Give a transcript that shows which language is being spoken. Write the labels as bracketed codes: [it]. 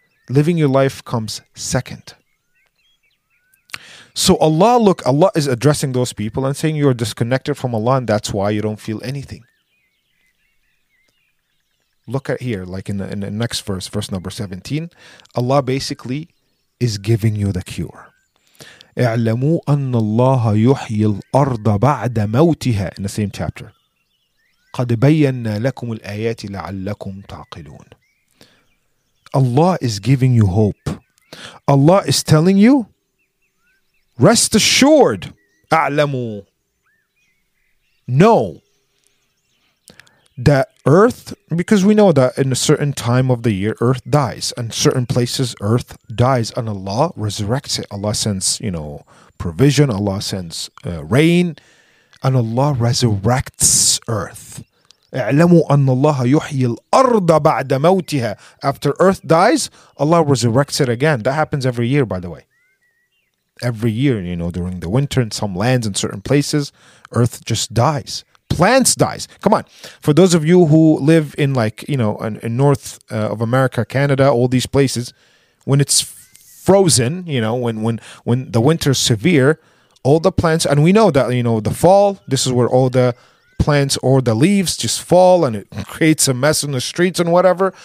[en] Living your life comes second. So Allah is addressing those people and saying you're disconnected from Allah and that's why you don't feel anything. Look at here, like in the next verse, verse number 17, Allah basically is giving you the cure. [ar] اعلموا أن الله يحيي الأرض بعد موتها. [en] In the same chapter. [ar] قد بينا لكم الآيات لعلكم تعقلون. [en] Allah is giving you hope. Allah is telling you, rest assured, أعلموا. Know that earth, because we know that in a certain time of the year, earth dies. In certain places, earth dies and Allah resurrects it. Allah sends, you know, provision. Allah sends rain. And Allah resurrects earth. [ar] اعلموا أن الله يحيي الأرض بعد موتها. [en] After earth dies, Allah resurrects it again. That happens every year, by the way. Every year, you know, during the winter in some lands, in certain places, earth just dies. Plants dies. Come on. For those of you who live in, like, you know, in north of America, Canada, all these places, when it's frozen, you know, when the winter is severe, all the plants, and we know that, you know, the fall, this is where all the plants or the leaves just fall and it creates a mess in the streets and whatever.